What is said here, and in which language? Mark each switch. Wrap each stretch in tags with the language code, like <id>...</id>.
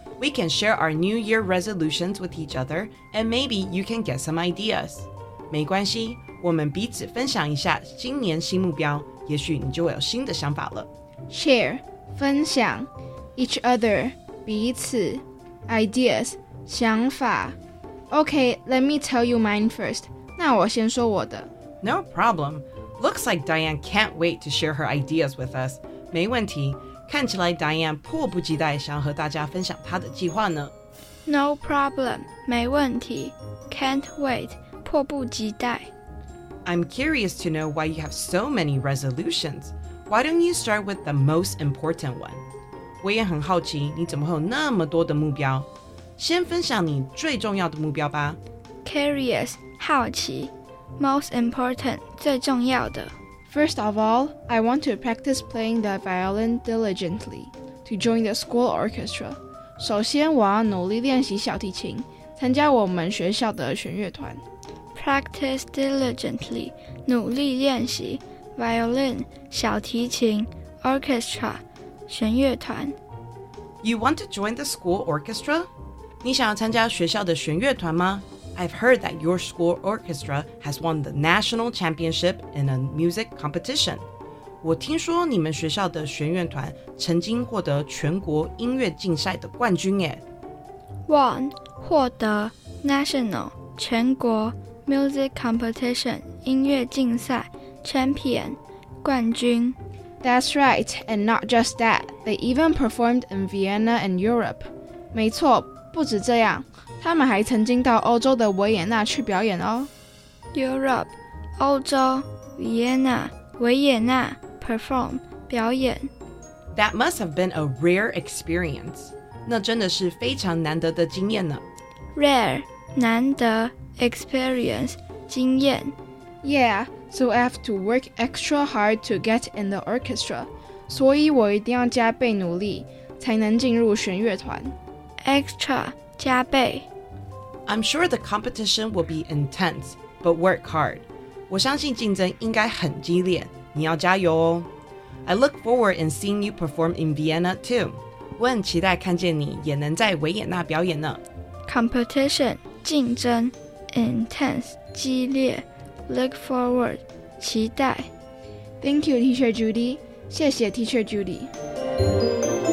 <en>We can share our New Year resolutions with each other, and maybe you can get some ideas.</en> <zh>没关系,我们彼此分享一下新年新目标,也许你就会有新的想法了。</zh> <en>Share, 分享, each other, 彼此, ideas, 想法。 Okay, let me tell you mine first.</en> <zh>那我先说我的。</zh> <en>No problem. Looks like Diane can't wait to share her ideas with us.</en> <zh>没问题，看起来 Diane 迫不及待想和大家分享她的计划呢。</zh> <en>No problem, 没问题。Can't wait, 迫不及待。 I'm curious to know why you have so many resolutions. Why don't you start with the most important one?</en> <zh>我也很好奇你怎么会有那么多的目标。先分享你最重要的目标吧。</zh> <en>Curious, 好奇。Most important, 最重要的。 First of all, I want to practice playing the violin diligently to join the school orchestra.</en> <zh>首先我要努力练习小提琴，参加我们学校的弦乐团。</zh> <en>Practice diligently, 努力练习 violin, 小提琴 orchestra, 弦乐团。 You want to join the school orchestra?</en> <zh>你想要参加学校的弦乐团吗？</zh> <en>I've heard that your school orchestra has won the national championship in a music competition.</en> <zh>我听说你们学校的弦乐团曾经获得全国音乐竞赛的冠军耶。</zh> <en>Won, 获得, national, 全国, music competition, 音乐竞赛, champion, 冠军。 That's right, and not just that, they even performed in Vienna and Europe.</en> <zh>没错,不止这样。他们还曾经到欧洲的维也纳去表演哦。</zh> <en>Europe, 欧洲, Vienna, 维也纳, perform, 表演。 That must have been a rare experience.</en> <zh>那真的是非常难得的经验呢。</zh> <en>Rare, 难得, experience, 经验。 Yeah, so I have to work extra hard to get in the orchestra.</en> <zh>所以我一定要加倍努力才能进入弦乐团。</zh> <en>Extra,加倍。 I'm sure the competition will be intense, but work hard.</en> <zh>我相信竞争应该很激烈，你要加油哦。</zh> <en>I look forward in seeing you perform in Vienna too.</en> <zh>我很期待看见你也能在维也纳表演呢。</zh> <en>Competition, 竞争 intense, 激烈 look forward, 期待。 Thank you, Teacher Judy. 谢谢 Teacher Judy.</en>